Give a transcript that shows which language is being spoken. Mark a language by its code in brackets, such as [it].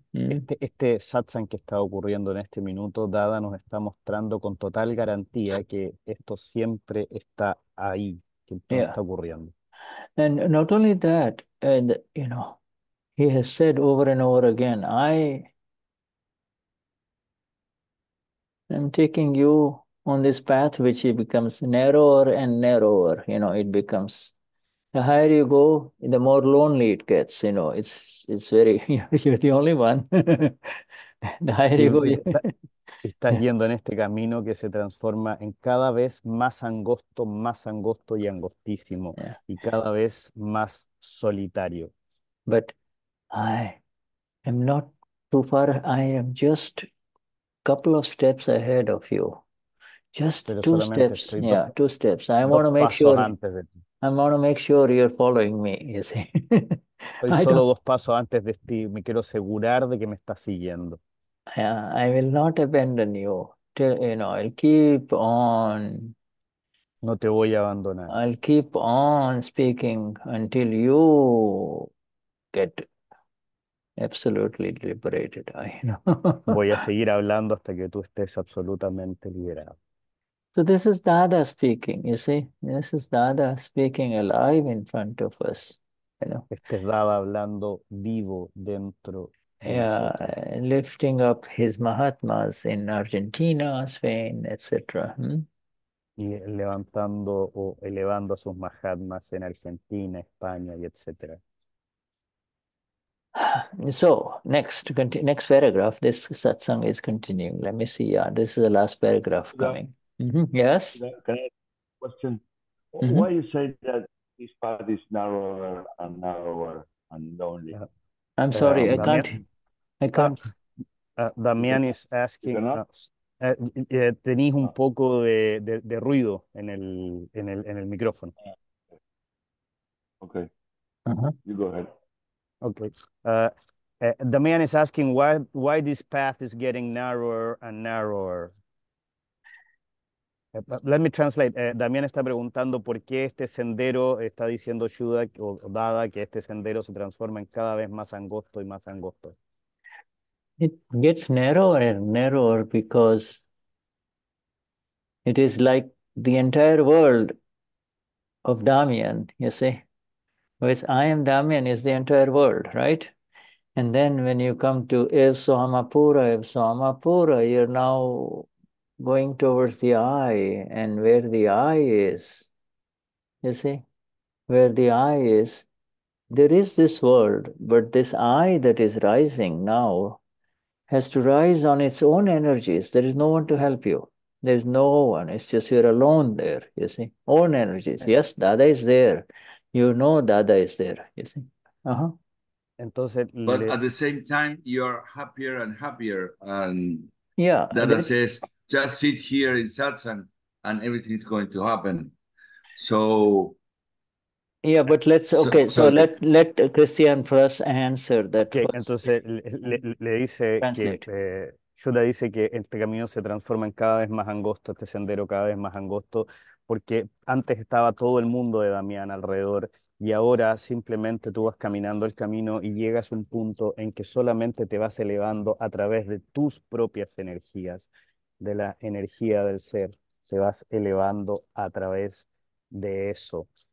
[es] Este satsang que está ocurriendo en este minuto, Dada nos está mostrando con total garantía que esto siempre está ahí, que todo está ocurriendo. [en] And not only that, and you know, he has said over and over again, I am taking you on this path, which it becomes narrower and narrower, you know, it becomes, the higher you go, the more lonely it gets, you know, it's very, you're the only one. The higher you go, [es] Estás yendo en este camino que se transforma en cada vez más angosto y angostísimo, y cada vez más solitario. [en] But I am not too far, I am just a couple of steps ahead of you. Just [es] Pero [en] two [es] solamente [en] steps, [es] estoy [en] yeah, two steps. I want to make sure, [es] antes de ti. [en] I want to make sure you're following me, you see. [es] Estoy solo dos pasos antes de ti, me quiero asegurar de que me estás siguiendo. [en] I will not abandon you. Till, you know, I'll keep on. [es] No te voy a abandonar. [en] I'll keep on speaking until you get Absolutely liberated, I know. [es] Voy a seguir hablando hasta que tú estés absolutamente liberado. [en] So this is Dada speaking, you see. This is Dada speaking alive in front of us, you know. [es] Este es Dada hablando vivo dentro de nosotros. [en] Lifting up his Mahatmas in Argentina, Spain, etc. [es] Y levantando o elevando a sus Mahatmas en Argentina, España y etc. [en] So, next paragraph, this satsang is continuing. Let me see. Yeah, this is the last paragraph coming. Yes? Can I ask a question? Why you say that this path is narrower and narrower and lonely? I'm sorry, I can't. I can't. Damian is asking us. [es] Tenéis un poco de ruido en el micrófono. [en] Okay. You go ahead. Okay. Damian is asking why this path is getting narrower and narrower. Let me translate. [es] Damian está preguntando por qué este sendero está diciendo Yuda o Dada que este sendero se transforma en cada vez más angosto y más angosto. [en] It gets narrower and narrower because it is like the entire world of Damian, you see. Whereas I am Damian is the entire world, right? And then when you come to Ev Soamapura, you're now going towards the eye and where the eye is, you see, where the eye is, there is this world, but this eye that is rising now has to rise on its own energies. There is no one to help you. There's no one. It's just you're alone there, you see. Own energies. Yes, Dada is there. You know Dada is there, you see. [es] Entonces, [en] but at the same time, you're happier and happier. And yeah, Dada says, just sit here in satsang and everything's going to happen. So... Yeah, but let's, okay, so let Cristian first answer that. [es] Okay, entonces le dice que Yuda dice que este camino se transforma en cada vez más angosto, este sendero cada vez más angosto, porque antes estaba todo el mundo de Damián alrededor y ahora simplemente tú vas caminando el camino y llegas a un punto en que solamente te vas elevando a través de tus propias energías, de la energía del ser, te vas elevando a través de eso.